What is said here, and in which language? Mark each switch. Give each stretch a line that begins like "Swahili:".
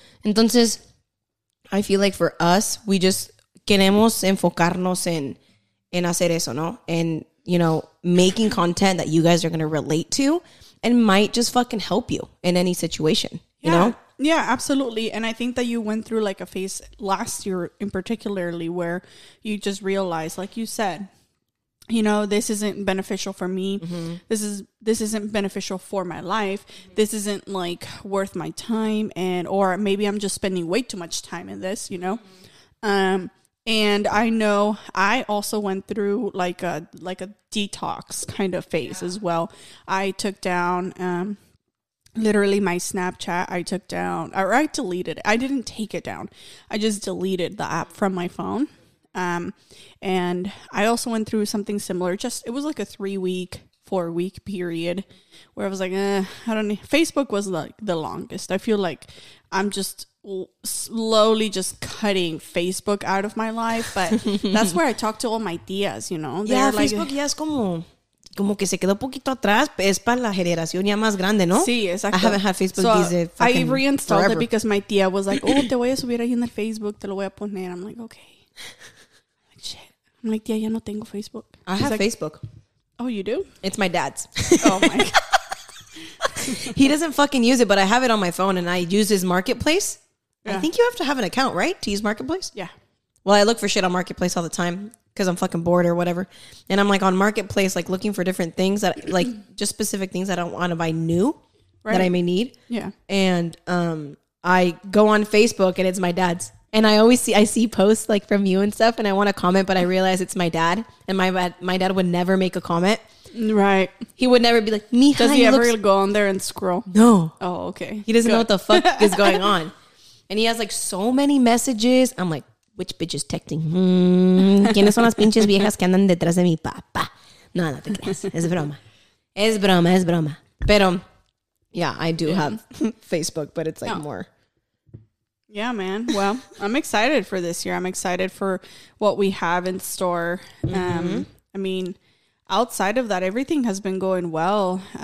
Spanish: Entonces,
English: I feel like for us, we just
Spanish: queremos enfocarnos en hacer eso, ¿no?
English: And, you know, making content that you guys are going to relate to and might just fucking help you in any situation, you know? Yeah, absolutely. And I think that you went through like a phase last year in particularly where you just realized, like you said, you know, this isn't beneficial for me. Mm-hmm. This isn't beneficial for my life. Mm-hmm. This isn't like worth my time, and or maybe I'm just spending way too much time in this, you know? Mm-hmm. And I know I also went through like a detox kind of phase as well. I took down literally my Snapchat. I took down, or I deleted it. I didn't take it down. I just deleted the app from my phone. And I also went through something similar. It was like a 3 week, 4 week period where I was like, I don't know. Facebook was like the longest. I feel like I'm just slowly just cutting Facebook out of my life, but that's where I talk to all my tías, you know. They're
Spanish: Facebook ya es como que se quedó poquito atrás, es para la generación ya más grande, ¿no? Sí, exacto.
English: I haven't had Facebook these I reinstalled forever. It because my tía was like, oh,
Spanish: te voy a subir ahí en el Facebook, te lo voy a poner.
English: I'm like, okay. Shit. I'm like,
Spanish: tía, ya no tengo Facebook.
English: I have like, Facebook. Oh, you do? It's my dad's. Oh my God. He doesn't fucking use it, but I have it on my phone and I use his marketplace. I think you have to have an account, right? To use Marketplace? Yeah. Well, I look for shit on Marketplace all the time because I'm fucking bored or whatever. And I'm like on Marketplace, like looking for different things that like just specific things I don't want to buy new that I may need. Yeah. And I go on Facebook and it's my dad's. And I always see, I see posts like from you and stuff and I want to comment, but I realize it's my dad and my dad would never make a comment. Right. He would never be like, mija. Does he ever go on there and scroll? No. Oh, okay. He doesn't know what the fuck is going on. And he has like so many messages. I'm like, which bitch is texting?
Spanish: ¿Quiénes son las pinches viejas que andan detrás de mi papá? No, no te creas. Es broma. Es broma, es broma. Pero,
English: yeah, I do have Facebook, but it's like more. Yeah, man. Well, I'm excited for this year. I'm excited for what we have in store. I mean, outside of that, everything has been going well.